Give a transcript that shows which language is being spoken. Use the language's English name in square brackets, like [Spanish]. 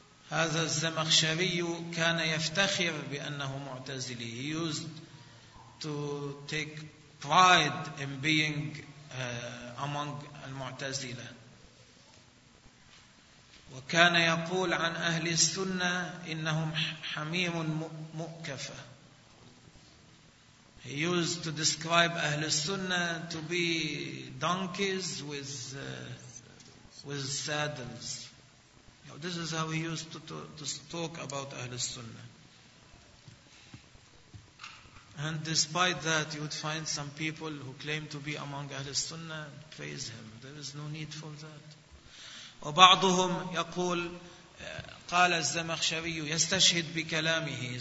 [Arabic] هذا الزمخشري كان يفتخر بأنه معتزلي. [English] He used to take pride in being among المعتزلة. [Arabic] وكان يقول عن أهل السنة إنهم حمير مؤكفة. [English] He used to describe أهل السنة to be donkeys with saddles. This is how he used to talk about أهل السنة. And despite that, you would find some people who claim to be among أهل السنة and praise him. There is no need for that. [Arabic] وبعضهم يقول قال الزمخشري يستشهد بكلامه.